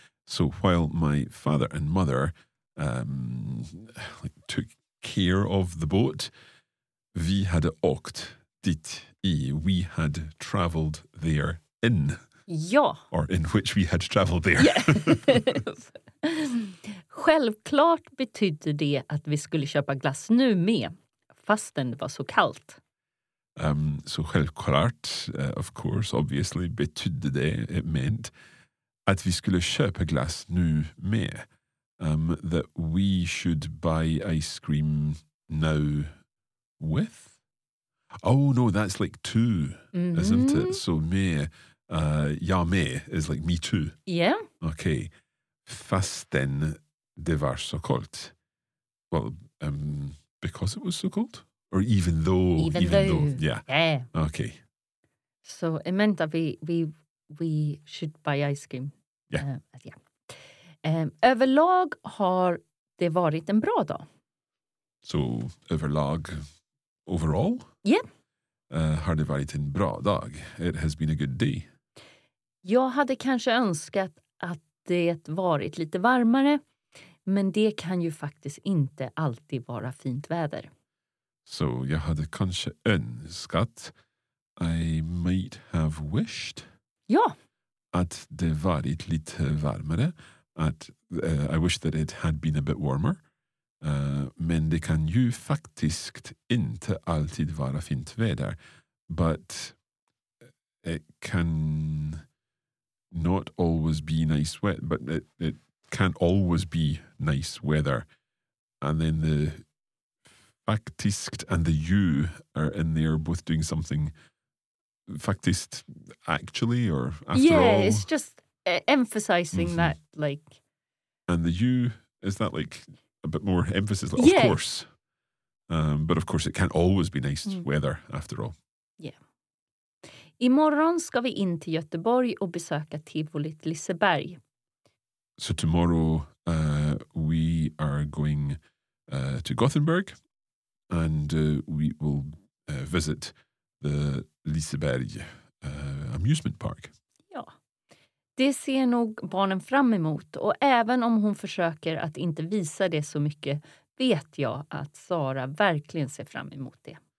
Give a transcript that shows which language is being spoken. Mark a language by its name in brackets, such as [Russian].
[English] So while my father and mother took care of the boat, [Swedish] vi hade åkt dit i. [English] We had traveled there in. [Swedish] Ja. [English] Or in which we had traveled there. Yeah. [Swedish] Självklart betydde det att vi skulle köpa glass nu med, fastän det var så kallt. Så självklart, [English] of course, obviously, [Swedish] betydde det, [English] it meant, [Swedish] att vi skulle köpa glass nu med. [English] That we should buy ice cream now with? Oh no, that's like two, isn't it? So med, ja med is like me too. Yeah. [Swedish] Okay. Fastän det var så kallt. [English] Well, because it was so cold? Or even though. Yeah. Yeah. Okay. So it meant that we should buy ice cream. Yeah. Yeah. [Swedish] Överlag har det varit en bra dag. [English] So overall? Yeah. [Swedish] Har det varit en bra dag? [English] It has been a good day. [Swedish] Jag hade kanske önskat att det varit lite varmare, men det kan ju faktiskt inte alltid vara fint väder. Så jag hade kanske önskat, [English] I might have wished, [Swedish] ja, att det varit lite varmare. [English] I wish that it had been a bit warmer. [Swedish] Men det kan ju faktiskt inte alltid vara fint väder. [English] But it can not always be nice weather, but it can't always be nice weather. And then the faktiskt and the you are in there both doing something faktiskt, actually, or after, yeah, all. Yeah, it's just emphasizing that, like. And the you, is that like a bit more emphasis? Like, yeah. Of course. But of course it can't always be nice weather after all. [Swedish] Imorgon ska vi in till Göteborg och besöka Tivolit Liseberg. [English] So tomorrow we are going to Gothenburg and we will visit the Liseberg amusement park. [Swedish] Ja, det ser nog barnen fram emot, och även om hon försöker att inte visa det så mycket vet jag att Sara verkligen ser fram emot det.